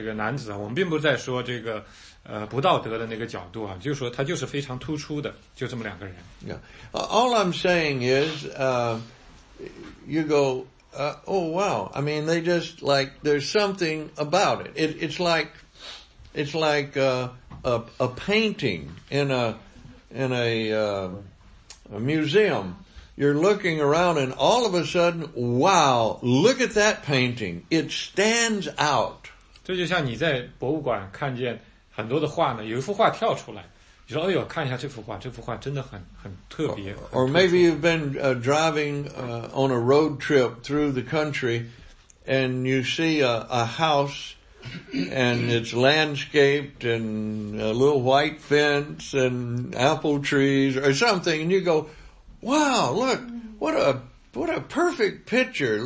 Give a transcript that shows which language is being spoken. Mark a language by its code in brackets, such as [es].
[zh] 那我们比方说呢，有一个很漂亮的妇人和一个很英俊的这个男子，我们并不在说这个 不道德的那个角度啊，就是说他就是非常突出的，就这么两个人。Yeah. [en] All I'm saying is, you go, oh wow. I mean, they just like there's something about it. It's like a painting in a museum. You're looking around, and all of a sudden, wow! Look at that painting. It stands out. [zh] 这就像你在博物馆看见 很多的画呢，有一幅画跳出来，你说：“哎呦，看一下这幅画，这幅画真的很特别。” [en] Or maybe you've been driving on a road trip through the country, and you see a house, and it's landscaped, and a little white fence, and apple trees, or something, and you go, "Wow, look, what a perfect picture!"